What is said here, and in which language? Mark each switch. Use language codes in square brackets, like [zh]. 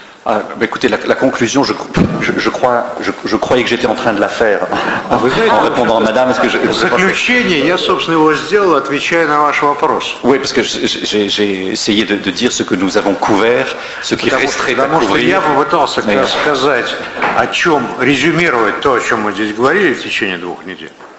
[fr] Ah, écoutez, la conclusion, je croyais que j'étais en train de la faire en répondant à madame. Est-ce que [ru] заключение, я, собственно, его сделал, отвечая на ваш вопрос. [fr] Oui, parce que j'ai essayé de dire ce que nous avons couvert, ce qui resterait à couvrir. [ru] Потому что я попытался как раз сказать, о чем, резюмировать то, о чем мы здесь говорили в течение двух недель.